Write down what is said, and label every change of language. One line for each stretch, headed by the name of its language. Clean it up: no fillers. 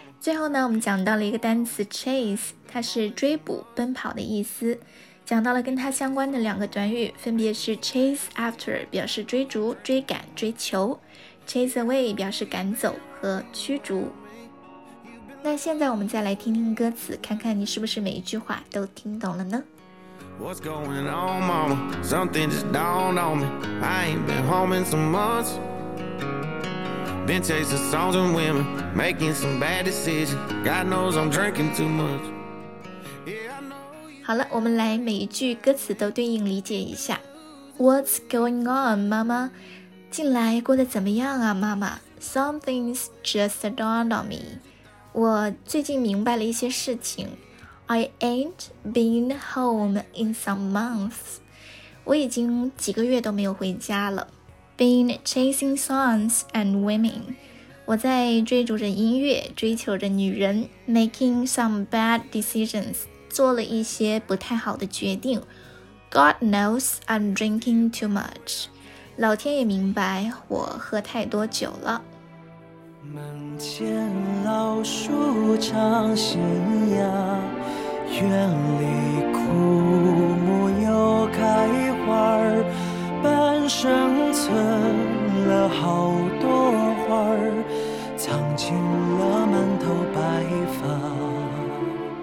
Chinese: 最后呢我们讲到了一个单词 chase， 它是追捕奔跑的意思，讲到了跟它相关的两个短语，分别是 chase after 表示追逐追赶追求， chase away 表示赶走和驱逐。那现在我们再来听听歌词，看看你是不是每一句话都听懂了呢？
English: What's going on, mama? Something just dawned on me. I ain't been home in some months. Been chasing songs and women, making some bad decisions. God knows I'm drinking too much.
Chinese: 好了，我们来每一句歌词都对应理解一下。
English: What's going on, mama?
Chinese: 近来过得怎么样啊，妈妈？
English: Something's just dawned on me.
Chinese: 我最近明白了一些事情。
English: I ain't been home in some months.
Chinese: 我已经几个月都没有回家了。
English: Been chasing songs and women.
Chinese: 我在追逐着音乐，追求着女人。
English: Making some bad decisions.
Chinese: 做了一些不太好的决定。
English: God knows I'm drinking too much.
Chinese: 老天也明白我喝太多酒了。门前老树长新芽，院里枯木又开花，半生存了好多花，藏进了满头白发。